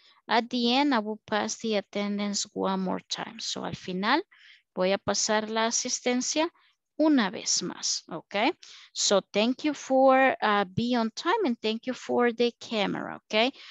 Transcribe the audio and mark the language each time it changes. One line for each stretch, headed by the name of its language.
English: At the end, I will pass the attendance one more time.
Spanish: So al final, voy a pasar la asistencia una vez más, okay?
English: So thank you for being on time and thank you for the camera, okay?